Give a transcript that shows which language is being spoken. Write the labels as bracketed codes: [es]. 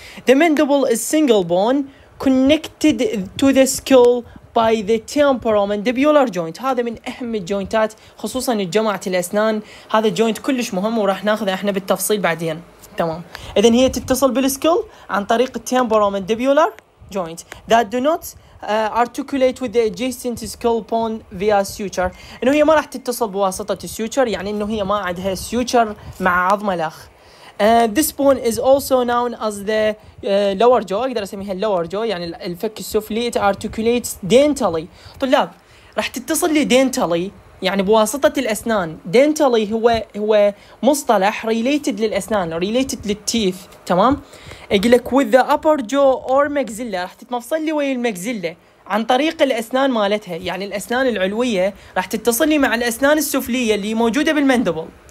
[en] The mandible is single bone connected to the skull by the temporomandibular joint. [ar] هذا من أهم الجوينتات خصوصا الجماعة الأسنان، هذا الجوينت كلش مهم وراح ناخذه احنا بالتفصيل بعدين. تمام، إذن هي تتصل بالسكول عن طريق [en] temporomandibular joint that do not articulate with the adjacent skull bone via suture. [ar] إنه هي ما راح تتصل بواسطة suture، يعني إنه هي ما عندها suture مع عظمة الأخ. [en] This bone is also known as the lower jaw. [ar] أقدر أسميها lower jaw، يعني الفك السفلي. [en] It articulates dentally. [ar] طلاب، راح تتصل لي dentally، يعني بواسطة الأسنان. dentally هو مصطلح related للأسنان، related للteeth. تمام؟ أقولك [en] with the upper jaw or maxilla، [ar] راح تتمفصل لي ويا المكزيلا عن طريق الأسنان مالتها، يعني الأسنان العلوية راح تتصل لي مع الأسنان السفلية اللي موجودة بالمندبل.